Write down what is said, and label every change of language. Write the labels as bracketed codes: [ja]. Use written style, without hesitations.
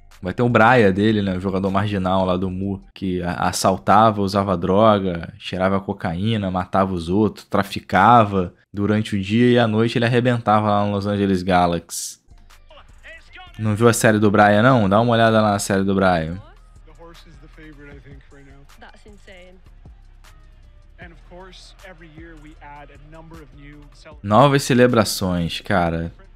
[pt] Vai ter o Braia dele, né? O jogador marginal lá do Mu, que assaltava, usava droga, cheirava cocaína, matava os outros, traficava. durante o dia e à noite ele arrebentava lá no Los Angeles Galaxy. Não viu a série do Brian, não? Dá uma olhada lá na série do Brian. [en] The horse is the favorite, I think, right now. That's insane. And of course, every year we add a number of new celebrations. [pt] Novas celebrações, cara.